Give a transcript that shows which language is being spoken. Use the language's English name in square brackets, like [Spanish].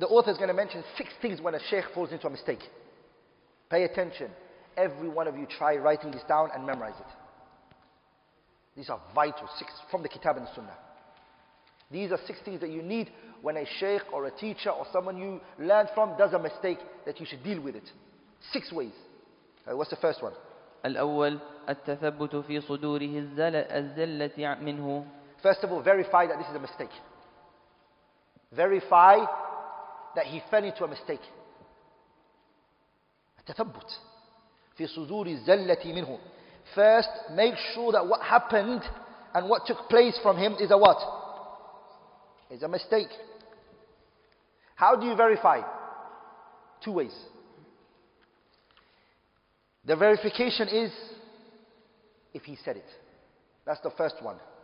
[English] The author is going to mention six things when a sheikh falls into a mistake. Pay attention. Every one of you try writing this down and memorize it. These are vital, six from the Kitab and the Sunnah. These are six things that you need when a sheikh or a teacher or someone you learn from does a mistake, that you should deal with it. Six ways. What's the first one? [Arabic] الأول التثبت في صدوره الزلة منه. [English] First of all, verify that this is a mistake. Verify that he fell into a mistake. [Arabic] التثبت في صدور الزلة منه. [English] First, make sure that what happened and what took place from him is a what? Is a mistake. How do you verify? Two ways. The verification is if he said it. That's the first one.